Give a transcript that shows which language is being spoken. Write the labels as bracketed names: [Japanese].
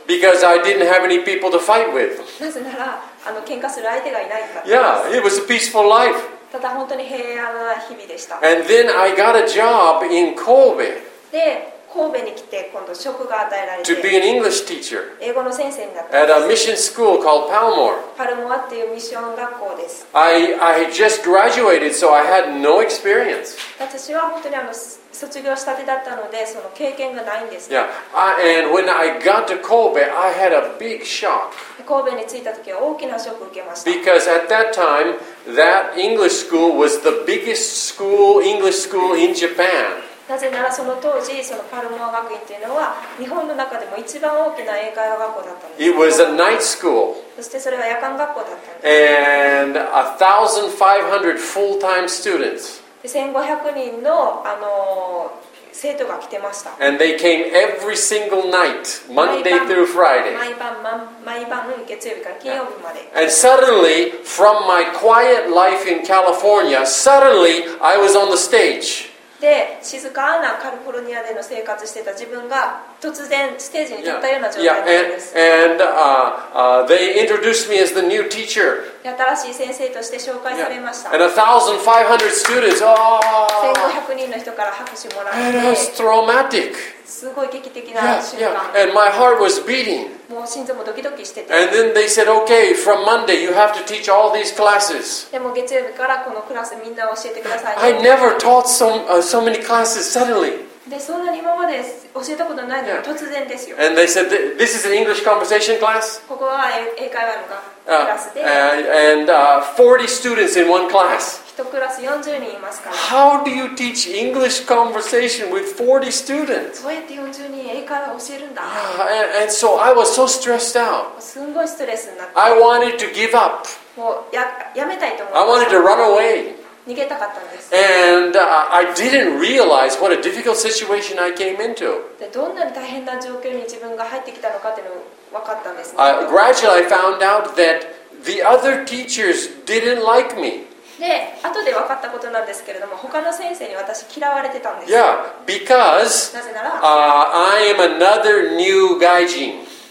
[English] Because I didn't have any people to fight with. [Japanese] なぜなら喧嘩する相手がいないから。 [English] Yeah, it was a peaceful life. [Japanese] ただ本当に平和な日々でした。 [English] And then I got a job in Kobe. [Japanese] で神戸に来て今度職が与えられて。 [English] To be an English teacher. [Japanese] 英語の先生になった。 [English] At a mission school called Palmore. [Japanese] パルモアっていうミッション学校です。 [English] I had just graduated, so I had no experience. [Japanese] 私は本当に卒業したてだったのでその経験がないんです。 [English] Yeah. And when I got to Kobe, I had a big shock. [Japanese] 神戸に着いた時は大きなショックを受けました。 [English] Because at that time, that English school was the biggest school, English school in Japan. [Japanese] なぜならその当時そのパルモア学院っていうのは日本の中でも一番大きな英会話学校だったんです。 [English] It was a night school. [Japanese] そしてそれは夜間学校だったんです。 [English] And 1,500 full-time students. [Japanese] 1500人 の, 生徒が来てました。 [English] And they came every single night, Monday through Friday. [Japanese] 毎晩月曜日から金曜日まで。 [English] Yeah. And suddenly, from my quiet life in California, suddenly I was on the stage. [Japanese] で、静かなカリフォルニアでの生活してた自分が突然ステージに立ったような状態だったんです。 [English] Yeah. Yeah. They introduced me as the new teacher. [Japanese] 新しい先生として紹介されました。 [English] Yeah. And 1,500 students. Oh. [Japanese] 1,500人の人から拍手もらって。 [English] And it was traumatic. [Japanese] すごい劇的な瞬間。 [English] Yeah. And my heart was beating. [Japanese] もう心臓もドキドキしてて。 [English] And then they said, okay, from Monday you have to teach all these classes. [Japanese] でも月曜日からこのクラスみんな教えてください。 [English] I never taught so many classes suddenly. [Japanese] でそんなに今まで教えたことないのに、yeah. 突然ですよ。 [English] And they said, this is an English conversation class. [Japanese] ここは英会話のクラスで。 [English] 40 students in one class. [Japanese] 一クラス40人いますから。 [English] How do you teach English conversation with 40 students? [Japanese] どうやって40人英会話を教えるんだ。 [English] And so I was so stressed out. [Japanese] すごいストレスになって。 [English] I wanted to give up. [Japanese] もうやめたいと思います。 [English] I wanted to run away. [Japanese] 逃げたかったんです。 [English] And I didn't realize what a difficult situation I came into. [Japanese] で、どんなに大変な状況に自分が入ってきたのかっていうのを分かったんですね。 [English] Gradually I found out that the other teachers didn't like me. [Japanese] で、後で分かったことなんですけれども、他の先生に私嫌われてたんです。 [English] Yeah, because [Japanese] なぜなら、 [English] I am another new 外人。